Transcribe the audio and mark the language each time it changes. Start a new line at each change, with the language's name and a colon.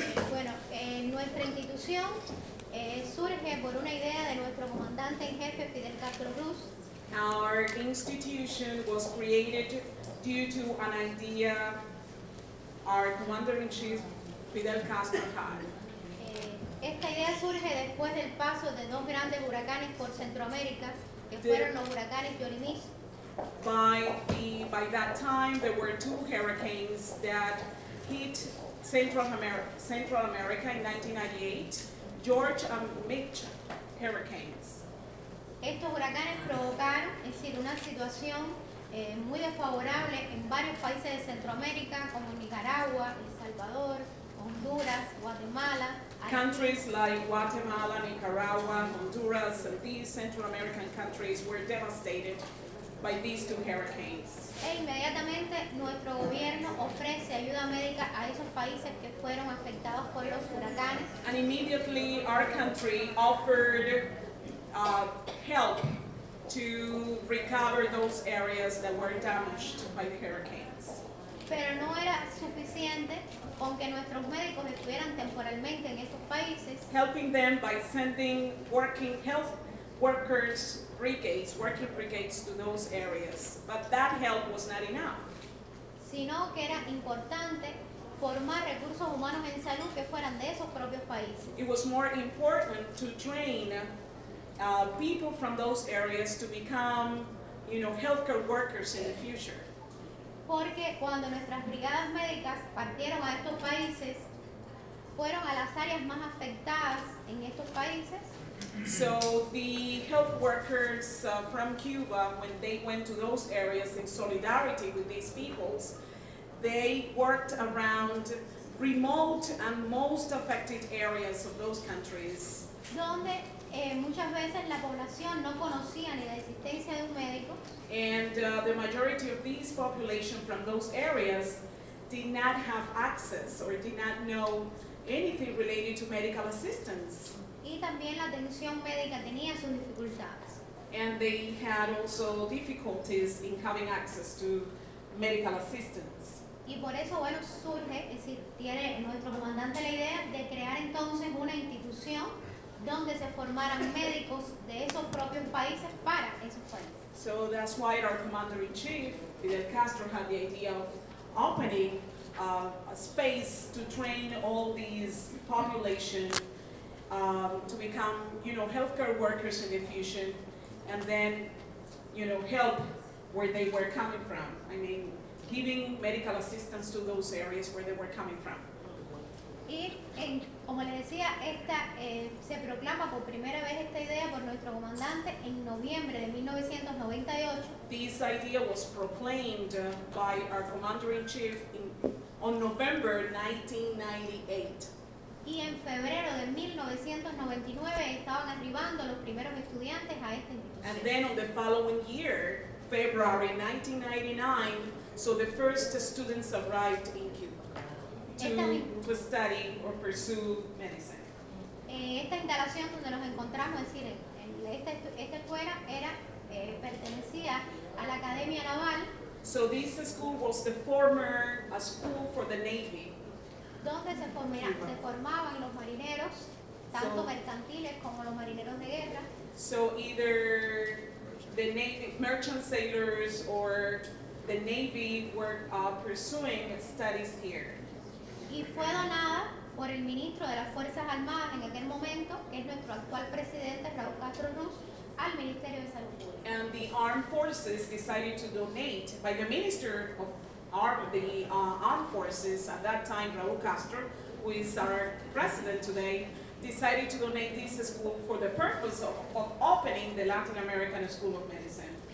Spanish: Bueno, nuestra institución surge por una idea de nuestro comandante en jefe Fidel Castro Cruz.
English: Our institution was created due to an idea our commander-in-chief Fidel Castro had.
Spanish: Esta idea surge después del paso de dos grandes huracanes por Centroamérica, que fueron los huracanes Yolimis.
English: By that time, there were two hurricanes that hit Central America in 1998, George and Mitch hurricanes.
Spanish: Estos huracanes provocaron, es decir, una situación muy desfavorable en varios países de Centroamérica, como Nicaragua, El Salvador, Honduras, Guatemala.
English: Countries like Guatemala, Nicaragua, Honduras, and these Central American countries were devastated by these two hurricanes.
Spanish: E inmediatamente nuestro gobierno ofrece ayuda médica a esos países que fueron afectados por los huracanes.
English: And immediately our country offered help to recover those areas that were damaged by the hurricanes.
Spanish: Pero no era suficiente con que nuestros médicos estuvieran temporalmente en esos países.
English: Helping them by sending working health workers brigades, working brigades to those areas. But that help was not enough.
Spanish: Sino que era importante formar recursos humanos en salud que fueran de esos propios países.
English: It was more important to train people from those areas to become, you know, healthcare workers in the future.
Spanish: Porque cuando nuestras brigadas médicas partieron a estos países, fueron a las áreas más afectadas en estos países.
English: So the health workers from Cuba, when they went to those areas in solidarity with these peoples, they worked around remote and most affected areas of those countries.
Spanish: Donde muchas veces la población no conocía ni la existencia de un médico.
English: And the majority of these population from those areas did not have access or did not know anything related to medical assistance.
Spanish: Y también la atención médica tenía sus dificultades.
English: And they had also difficulties in having access to medical assistance.
Spanish: Y por eso, bueno, surge, es decir, tiene nuestro comandante la idea de crear entonces una institución donde se formaran médicos de esos propios países para esos países.
English: So that's why our commander-in-chief, Fidel Castro, had the idea of opening a space to train all these population to become, you know, healthcare workers in the future, and then, you know, help where they were coming from. I mean, giving medical assistance to those areas where they were coming from.
Spanish: Y en, como les decía, esta se proclama por primera vez esta idea por nuestro comandante en noviembre de 1998.
English: This idea was proclaimed by our commander-in-chief on November 1998.
Spanish: Y en febrero de 1999 estaban arribando los primeros estudiantes a esta institución.
English: And then on the following year, February 1999, so the first students arrived in Cuba to study or pursue medicine.
Spanish: Esta instalación donde nos encontramos, es decir, esta escuela era pertenecía a la Academia Naval.
English: So this school was the former a school for the Navy.
Spanish: Donde se formaban los marineros, tanto mercantiles como los marineros de guerra.
English: So either the Navy merchant sailors or the Navy were pursuing studies here.
Spanish: Y fue donada por el ministro de las Fuerzas Armadas en aquel momento, que es nuestro actual presidente, Raúl Castro Ruz, al Ministerio de Salud Pública.
English: And the armed forces decided to donate, by the minister of armed forces at that time, Raul Castro, who is our president today, decided to donate this school for the purpose of opening the Latin American School of Medicine.